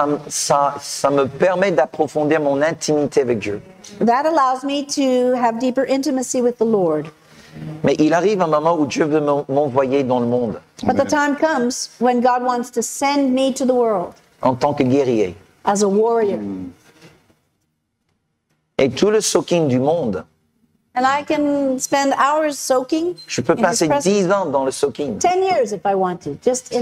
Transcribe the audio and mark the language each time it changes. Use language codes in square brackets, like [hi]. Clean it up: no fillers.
[fr] Ça me permet d'approfondir mon intimité avec Dieu. [en] That allows me to have deeper intimacy with the Lord. [fr] Mais il arrive un moment où Dieu veut m'envoyer dans le monde. [en] But the time comes when God wants to send me to the world. [fr] En tant que guerrier. [en] As a warrior. [fr] Et tout le soaking du monde. [en] And I can spend hours soaking. [fr] Je peux passer 10 ans dans le soaking. [en] 10 years if I want to, just in